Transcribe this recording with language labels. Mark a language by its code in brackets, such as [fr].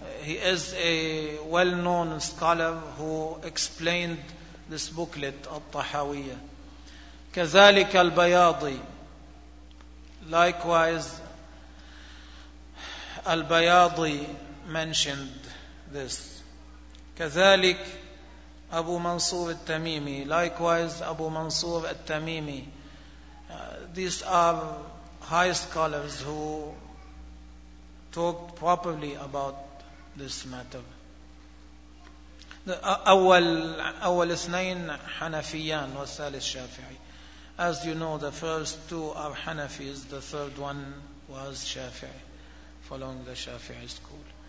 [en] He is a well-known scholar who explained this booklet, الطحاوية. [ar] كذلك البياضي. [en] Likewise, البياضي mentioned this. [ar] كذلك أبو منصور التميمي. [en] Likewise, أبو منصور التميمي. These are high scholars who talked properly about this matter. [ar] أول اثنين حنفيان والثالث شافعي. [en] As you know, the first two are Hanafis, the third one was Shafi'i, following the Shafi'i school.